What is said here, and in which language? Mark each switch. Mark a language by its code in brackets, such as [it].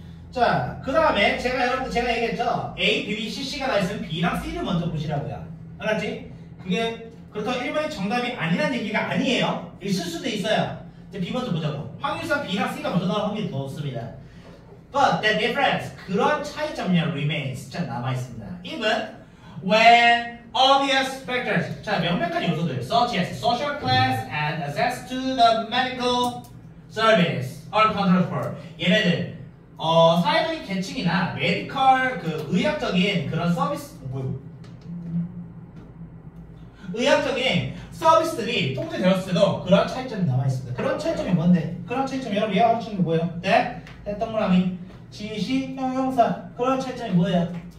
[ko] 자, 그 다음에 제가 여러분들 제가 얘기했죠? A, B, B, C, C가 나 있으면 B랑 C를 먼저 보시라고요. 알았지? 그게 그렇다고 1번이 정답이 아니라는 얘기가 아니에요. 있을 수도 있어요. 이제 B 먼저 보자고. 확률상 B랑 C가 먼저 나올 확률이 더 높습니다. [en] But the difference, [ko] 그런 차이점이 remains. 자, 남아있습니다. [en] Even when obvious factors, [ko] 자, 명백한 요소들, [en] such as social class and access to the medical service are controlled for. [ko] 얘네들. 사회적인 계층이나 메디컬 그 의학적인 그런 서비스 의학적인 서비스들이 통제되었어도 그런 차이점이 남아있습니다. 그런 차이점이 뭔데? 그런 차이점이 여러분 이해하시는 게 뭐예요? 네? 대동그라미 지시 형용사 그런 차이점이 뭐예요?